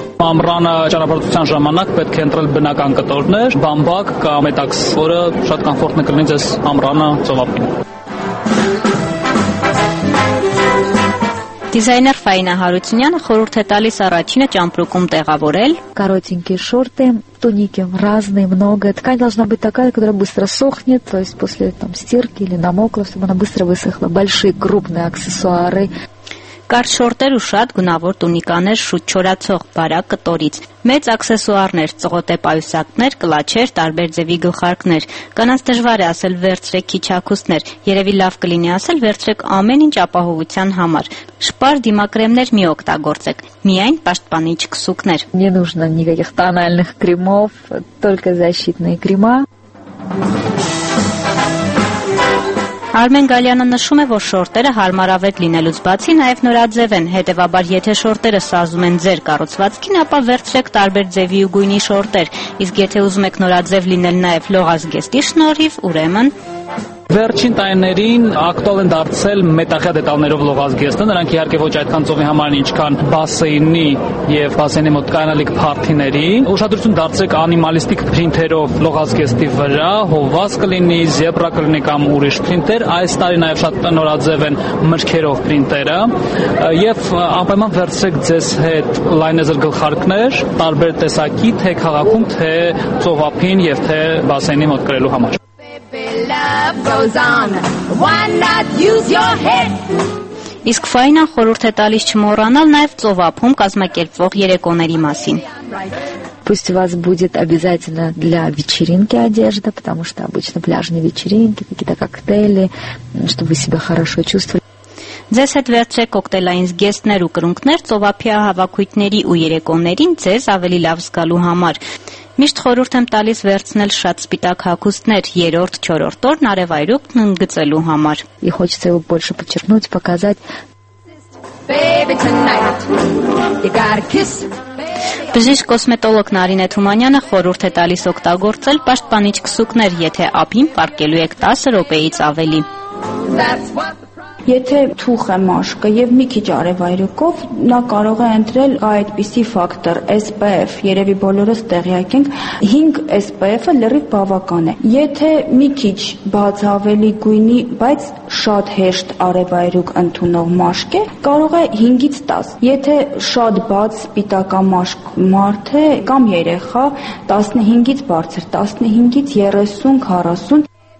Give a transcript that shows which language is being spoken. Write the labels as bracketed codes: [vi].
[hy] Ամռանը ճանապարհորդության ժամանակ պետք է ընտրել բնական կտորներ, բամբակ կամ մետաքս, որը շատ կոմֆորտն է կլինի ձեզ ամռանը ծովափին։ Դիզայներ Ֆայնա Հարությունյանը խորհուրդ է տալիս առաջինը ճամպրուկում տեղավորել. [ru] Коротенькие шорты, туники разные, много. Ткань должна быть такая, которая быстро сохнет, то есть после там стирки или намокла, чтобы она быстро высохла. Большие крупные аксессуары. [hy] Կարճ շորտեր ու շատ գունավոր տունիկաներ շուտ չորացող բարակ կտորից, մեծ աքսեսուարներ, ծղոտե պայուսակներ, կլաչեր, տարբեր ձևի գլխարկներ, կանանց դժվար է ասել վերցրեք քիչ հագուստներ, երևի լավ կլինի ասել վերցրեք ամեն ինչ ապահովության համար, շպար դիմակրեմներ մի օգտագործեք, միայն պաշտպանիչ քսուկներ։ [ru] Не нужно никаких тональных кремов, только защитные крема. [hy] Արմեն Գալյանը նշում է, որ շորտերը հարմարավետ լինելուց բացի նաև նորաձև են, հետևաբար եթե շորտերը սազում են ձեր կառուցվածքին, ապա վերցրեք տարբեր ձևի ու գույնի շորտեր, իսկ եթե ուզում եք նորաձև լինել նաև լողազգեստի շնորհիվ, ուրեմն… Վերջին տարիներին ակտուալ են դարձել մետաղյա դետալներով լողազգեստը, նրանք իհարկե ոչ այդքան ծովի համար են, ինչքան բասեյնի եւ բասեյնի մոտ կանալիկ փարթիների։ Ուշադրություն դարձեք անիմալիստիկ պրինթերով լողազգեստի վրա, հովազ կլինի, զեբրա կլինի կամ ուրիշ պրինթեր, այս տարի նաեւ շատ նորաձև են մրգերով պրինթերը, եւ անպայման վերցրեք ձեզ հետ լայնեզր գլխարկներ տարբեր տեսակի, թե քաղաքում, թե ծովափին եւ թե բասեյնի մոտ կրելու համար։ Իսկ Ֆայնա խորհուրդ է տալիս չմոռանալ նաև ծովափում կազմակերպվող երեկոների մասին։ [ru] Пусть у вас будет обязательно для вечеринки одежда, потому что обычно пляжные вечеринки, какие-то коктейли, чтобы вы себя хорошо чувствовали. [hy] Ձեզ հետ վերցրեք կոկտեյլային զգեստներ ու կրունկներ ծովափի հավաքույտների ու երեկոներին ձեզ ավելի լավ զգալու համար։ Միշտ խորհուրդ եմ տալիս վերցնել շատ սպիտակ հագուստներ երրորդ, չորրորդ օրն արևայրուկն ընդգծելու համար։ [ru] И хочется его больше подчеркнуть, показать. [hy] Բժիշկ կոսմետոլոգ Նարինե Թումանյանը խորհուրդ է տալիս օգտագործել պաշտպանիչ քսուկներ, եթե ափին պարկելու եք 10 րոպեից ավելի։ Եթե թուխ է մաշկը եւ մի քիչ արևայրուկով, նա կարող է ընտրել այդպիսի ֆակտոր SPF, երևի բոլորս տեղյակ ենք, 5 SPF-ը լրիվ բավական է։ Եթե մի քիչ բաց ավելի գույնի, բայց շատ հեշտ արևայրուկ ընդունող մաշկ է, կարող է 5-ից 10։ Եթե շատ բաց սպիտակամաշկ մարդ է կամ երեխա, 15-ից բարձր, 15-ից 30-40։